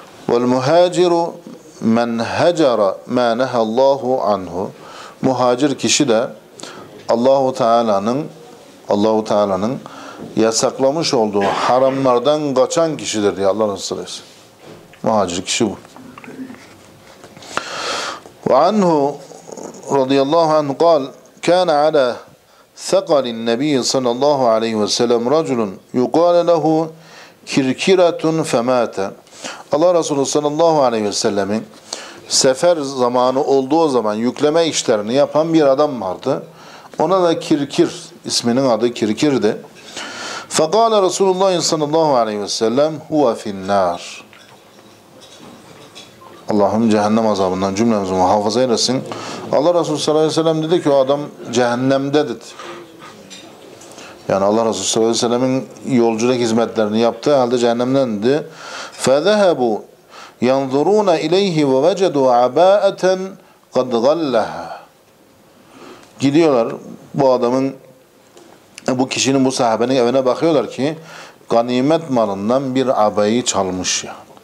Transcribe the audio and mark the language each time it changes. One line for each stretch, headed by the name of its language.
Arabic: وَالْمُهَاجِرُ مَنْ هَجَرَ مَا نَهَى اللّٰهُ عَنْهُ
Turkish: Muhacir kişi de Allahu Teala'nın yasaklamış olduğu haramlardan kaçan kişidir diye Allah nasıl etsin. Muhacir kişi bu.
Arabic: وَعَنْهُ رَضِيَ اللّٰهُ عَنْهُ قَالْ كَانَ عَلَى ثَقَلِ النَّبِيِّ صَلَى اللّٰهُ عَلَيْهُ وَسَلَمُ رَجُلٌ يُقَالَ لَهُ كِرْكِرَةٌ فَمَاتَ
Turkish: Allah Resulü sallallahu aleyhi ve sellemin sefer zamanı olduğu zaman yükleme işlerini yapan bir adam vardı. Ona da Kirkir, isminin adı Kirkir'di.
Arabic: فَقَالَ رَسُولُ اللّٰهِ صَلَى اللّٰهُ عَلَيْهِ وَسَلَّمُ هُوَ فِي النَّارِ
Turkish: Allah'ım cehennem azabından cümlemizi muhafaza eylesin. Allah Resulü sallallahu aleyhi ve sellem dedi ki o adam cehennemdedir. Yani Allah Resulü sallallahu aleyhi ve sellemin yolculuk hizmetlerini yaptığı halde cehennemdendi.
Arabic: فَذَهَبُوا يَنْظُرُونَ اِلَيْهِ وَوَجَدُوا عَبَاءَةً قَدْ غَلَّهَا
Turkish: Gidiyorlar bu adamın, bu kişinin, bu sahabenin evine bakıyorlar ki ganimet malından bir abayı çalmış ya.